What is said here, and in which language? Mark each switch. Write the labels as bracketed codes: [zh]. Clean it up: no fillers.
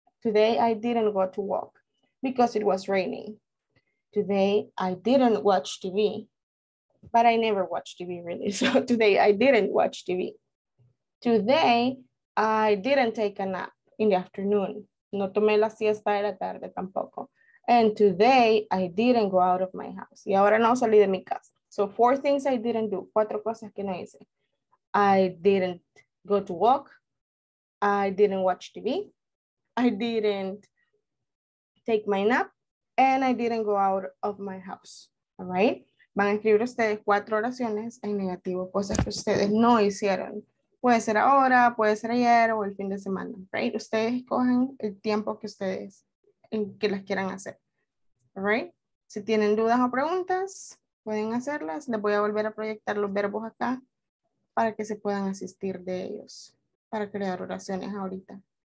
[en] Today, I didn't go to walk because it was raining. Today, I didn't watch TV. But I never watch TV, really. So today, I didn't watch TV. Today, I didn't take a nap in the afternoon. [es] No tomé la siesta de la tarde tampoco. [en] And today, I didn't go out of my house. [es] Y ahora no salí de mi casa. [en] So four things I didn't do. [es] Cuatro cosas que no hice. [en] I didn't go to walk. I didn't watch TV. I didn't take my nap. And I didn't go out of my house. All right? [es] Van a escribir ustedes cuatro oraciones en negativo. Cosas que ustedes no hicieron. Puede ser ahora, puede ser ayer o el fin de semana, right? Ustedes escogen el tiempo que ustedes, en que las quieran hacer, right? Si tienen dudas o preguntas, pueden hacerlas. Les voy a volver a proyectar los verbos acá para que se puedan asistir de ellos para crear oraciones ahorita.